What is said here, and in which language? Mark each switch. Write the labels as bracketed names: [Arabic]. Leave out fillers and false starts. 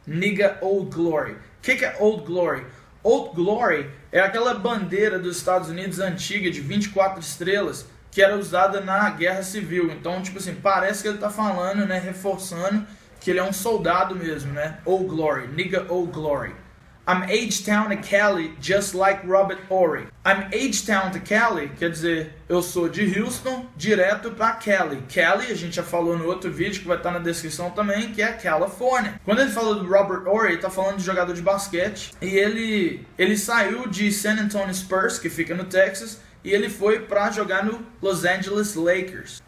[English] Nigga, old glory. [Portuguese] O que é old glory? Old glory é aquela bandeira dos Estados Unidos antiga de 24 estrelas. Que era usada na Guerra Civil. Então, tipo assim, parece que ele tá falando, né? Reforçando que ele é um soldado mesmo, né? [English] Old glory. Nigga, old glory. I'm H-Town to Cali, just like Robert Horry. I'm H-Town to Cali, [Portuguese] quer dizer, eu sou de Houston, direto pra Cali. Cali, a gente já falou no outro vídeo, que vai estar na descrição também, que é Califórnia. Quando ele fala do Robert Horry, ele tá falando de jogador de basquete. E ele saiu de San Antonio Spurs, que fica no Texas. E ele foi pra jogar no Los Angeles Lakers.